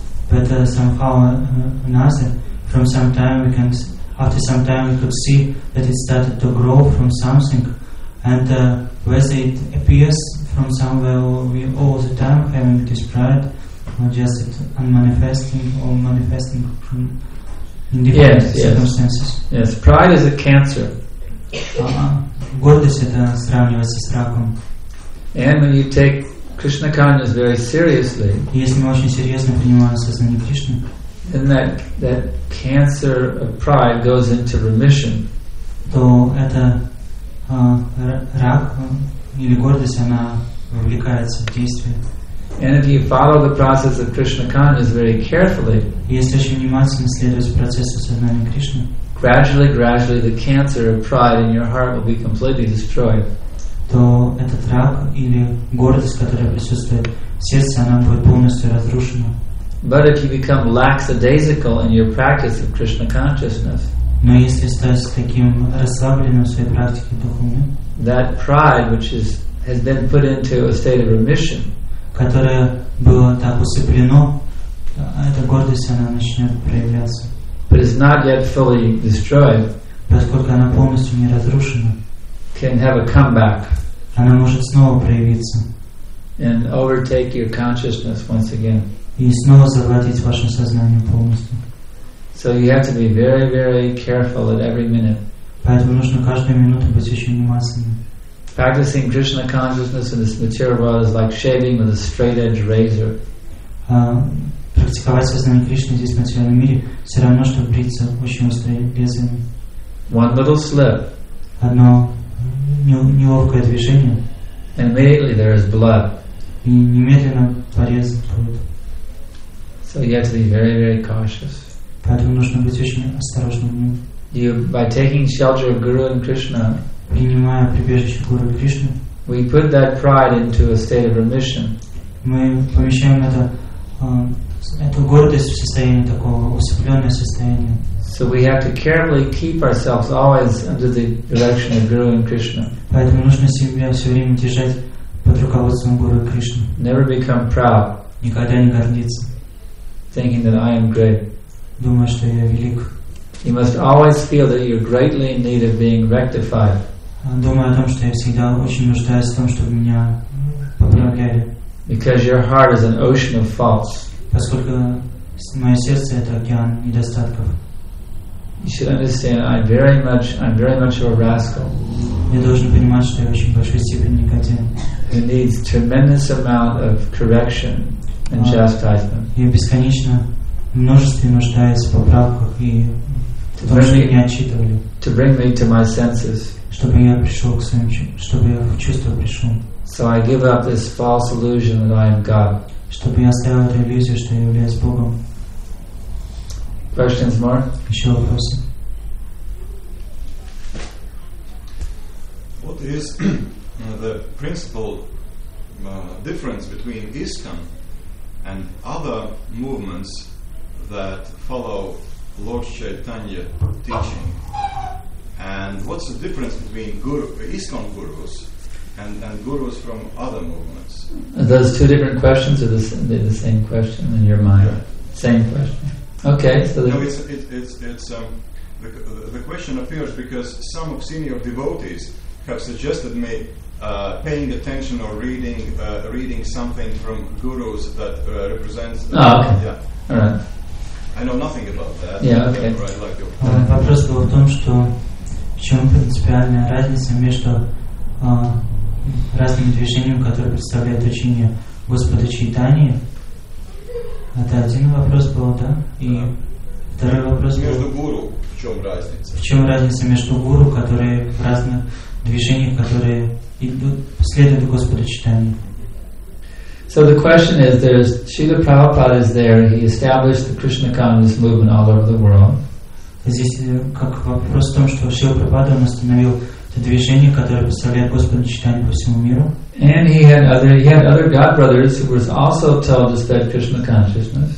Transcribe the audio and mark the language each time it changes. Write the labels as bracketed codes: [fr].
[en] But somehow another, from some time we can, after some time we could see that it started to grow from something. And whether it appears from somewhere or we all the time having this pride, or just it unmanifesting or manifesting from. Yes, yes. Yes, pride is a cancer. [ru] Гордость — это сравнивается с раком. [en] And when you take Krishna consciousness very seriously, [ru] если мы очень серьезно принимаем сознание Кришны, [en] then that cancer of pride goes into remission. [ru] То это рак или гордость, она вовлекается в действие. [en] And if you follow the process of Krishna consciousness very carefully, [ru] если очень внимательно следовать процессу сознания Кришны, [en] gradually the cancer of pride in your heart will be completely destroyed. [ru] То этот рак или гордость, которая присутствует в сердце, она будет полностью разрушена. [en] But if you become lackadaisical in your practice of Krishna consciousness, [ru] но если стать таким расслабленным в своей практике духовной, [en] that pride which has been put into a state of remission, [ru] которое было так усыплено, эта гордость, она начнет проявляться. [en] But it's not yet fully destroyed. [ru] Поскольку она полностью не разрушена, [en] can have a comeback. [ru] Она может снова проявиться. [en] And overtake your consciousness once again. [ru] И снова завладеть вашим сознанием полностью. [en] So you have to be very, very careful at every minute. [ru] Поэтому нужно каждую минуту быть очень внимательным. [en] Practicing Krishna consciousness in this material world is like shaving with a straight-edge razor. [ru] Практиковать сознание Кришны здесь в материальном мире все равно, что бриться очень острым лезвием. [en] One little slip. [ru] Одно неловкое движение. [en] And immediately there is blood. [ru] И немедленно порез будет. [en] So you have to be very, very cautious. [ru] Поэтому нужно быть очень осторожным. [en] You, by taking shelter of Guru and Krishna, [ru] принимая прибежище Гуру Кришны, [en] we put that pride into a state of remission. [ru] Мы помещаем эту гордость в состояние такого усыпленного состояния. [en] So we have to carefully keep ourselves always under the direction of Guru and Krishna. [ru] Поэтому нужно себя все время держать под руководством Гуру Кришны. [en] Never become proud. [ru] Никогда не гордиться. [en] Thinking that I am great. [ru] Думая, что я велик. [en] You must always feel that you're greatly in need of being rectified. [ru] Думаю о том, что я всегда очень нуждаюсь в том, чтобы меня поправляли. [en] Because your heart is an ocean of faults. [ru] Поскольку мое сердце — это океан недостатков. [en] You should understand, I'm very much of a rascal. [ru] Я должен понимать, что я очень большой степени негодяй. [en] Who needs tremendous amount of correction and chastisement. [ru] Я бесконечно множестве нуждаюсь в поправках и то, что меня отчитывали. [en] To bring me to my senses. [ru] Чтобы я пришел к своим, чтобы я в чувство пришел. [en] So I give up this false illusion that I am God. [ru] Чтобы я оставил эту иллюзию, что я являюсь Богом. [en] Questions more? [ru] Еще вопросы? [en] What is the principal difference between ISKCON and other movements that follow Lord Chaitanya teaching? And what's the difference between ISKCON gurus and gurus from other movements? Are those two different questions, or the same question in your mind? Yeah. Same question. Okay, so no, the question appears because some of senior devotees have suggested me paying attention or reading something from gurus that represents. Yeah. All right. I know nothing about that. Yeah. Okay. Right. Like your. [ru] Вопрос был в том, что в чем принципиальная разница между разными движениями, которые представляют учение Господа Чайтаньи? Это один вопрос был, да? И второй вопрос был... Между гуру, чем разница? В чем разница между гуру, которые в разных движениях, которые идут, следуют Господу Читания? [en] So the question is, there's Srila Prabhupada is there, he established the Krishna consciousness movement all over the world. [ru] Здесь как вопрос в том, что Шрила Прабхупада установил это движение, которое представляет Господа Читания по всему миру. [en] And he had other God brothers who was also told to spread Krishna consciousness.